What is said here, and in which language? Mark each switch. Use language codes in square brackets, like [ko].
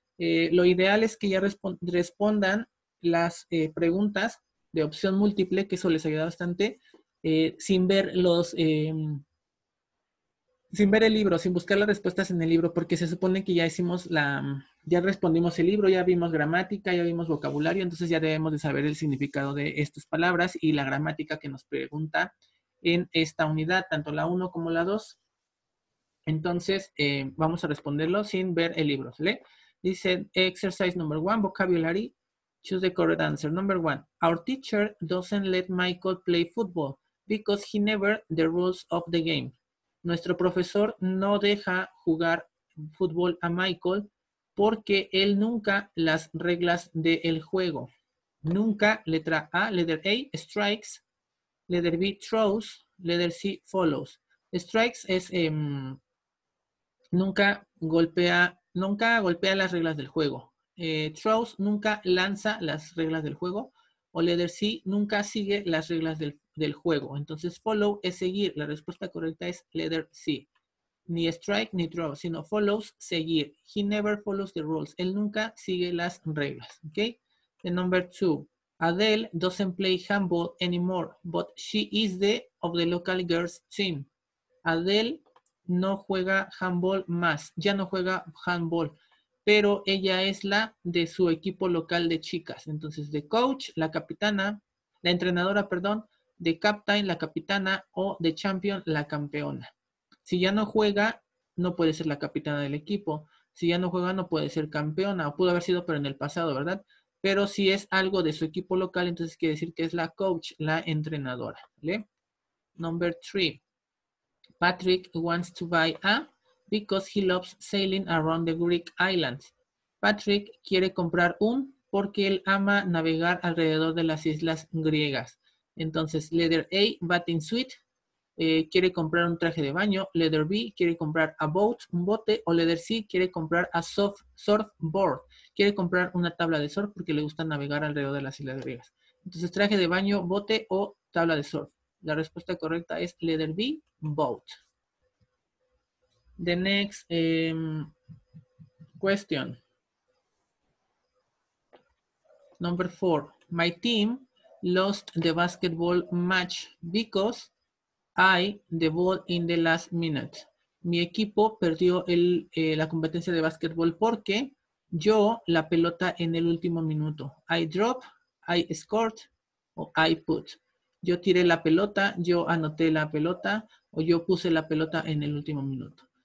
[es] Lo ideal es que ya respondan las preguntas de opción múltiple, que eso les ayuda bastante, sin ver el libro, sin buscar las respuestas en el libro, porque se supone que ya hicimos ya respondimos el libro, ya vimos gramática, ya vimos vocabulario, entonces ya debemos de saber el significado de estas palabras y la gramática que nos pregunta en esta unidad, tanto la 1 como la 2. Entonces, vamos a responderlo sin ver el libro, ¿sale? [en] Dice, exercise number 1, vocabulary, choose the correct answer. Number 1, our teacher doesn't let Michael play football because he never the rules of the game. [es] Nuestro profesor no deja jugar fútbol a Michael porque él nunca las reglas del juego. Nunca, letra A, [en] letter A, strikes, letter B, throws, letter C, follows. [es] Strikes es nunca golpea las reglas del juego. Throws, nunca lanza las reglas del juego. O [en] letter C, [es] nunca sigue las reglas del juego. Entonces, follow es seguir. La respuesta correcta es letter C. ni strike ni throw, sino [en] follows, [es] seguir. [en] He never follows the rules. [es] Él nunca sigue las reglas. [en] Okay. The number two. Adele doesn't play handball anymore, but she is the of the local girls team. [es] Adele no juega handball más. Ya no juega handball, pero ella es la de su equipo local de chicas. Entonces, [en] the coach, [es] la capitana, la entrenadora, perdón, [en] the captain, [es] la capitana, o [en] the champion, [es] la campeona. Si ya no juega, no puede ser la capitana del equipo. Si ya no juega, no puede ser campeona. Pudo haber sido, pero en el pasado, ¿verdad? Pero si es algo de su equipo local, entonces quiere decir que es la coach, la entrenadora. ¿Vale? [en] Number three. Patrick wants to buy a... because he loves sailing around the Greek islands. [es] Patrick quiere comprar un porque él ama navegar alrededor de las islas griegas. Entonces, [en] letter A, bathing suit, [es] quiere comprar un traje de baño. [en] Letter B, [es] quiere comprar [en] a boat, [es] un bote. O [en] letter C, [es] quiere comprar [en] a surfboard. [es] Quiere comprar una tabla de surf porque le gusta navegar alrededor de las islas griegas. Entonces, traje de baño, bote o tabla de surf. La respuesta correcta es [en] letter B, boat. The next question. Number four. My team lost the basketball match because I the ball in the last minute. [es] Mi equipo perdió la competencia de basketball porque yo la pelota en el último minuto. [en] I drop, I scored, [es] o [en] I put. [es] Yo tiré la pelota, yo anoté la pelota, o yo puse la pelota en el último minuto.